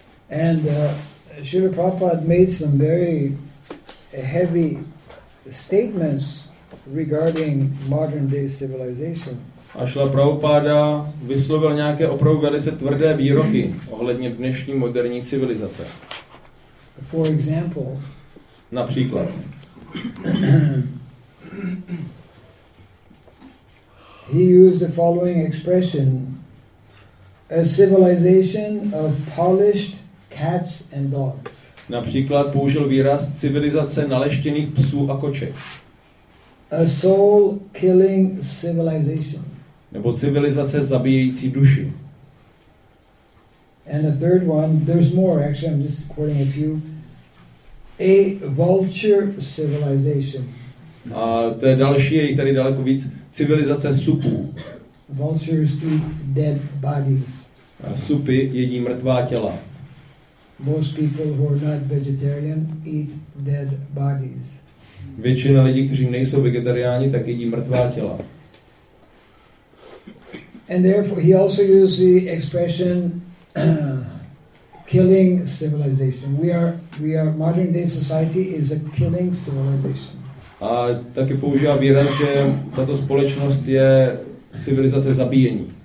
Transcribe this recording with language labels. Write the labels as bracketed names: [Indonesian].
[English] And Srila Prabhupada made some very heavy statements regarding modern day civilization. [Czech] A Šila Prabhupáda vyslovil nějaké opravdu velice tvrdé výroky ohledně dnešní moderní civilizace. [English] For example. [Czech] Například. [English] He used the following expression: a civilization of polished cats and dogs. [Czech] Například použil výraz civilizace naleštěných psů a koček. [English] A soul killing civilization. [Czech] Nebo civilizace zabíjející duši. [English] And a third one, there's more, actually I'm just quoting a few. A vulture civilization. [Czech] A to je další, je tady daleko víc, civilizace supů. [English] Vultures eat dead bodies. [Czech] A supy jedí mrtvá těla. [English] Most people who are not vegetarian eat dead bodies. [Czech] Většina lidí, kteří nejsou vegetariáni, tak jedí mrtvá těla. [English] And therefore he also used the expression killing civilization. We are modern day society is a killing civilization. [Czech] A taky používá výraz, že tato společnost je civilizace zabíjení.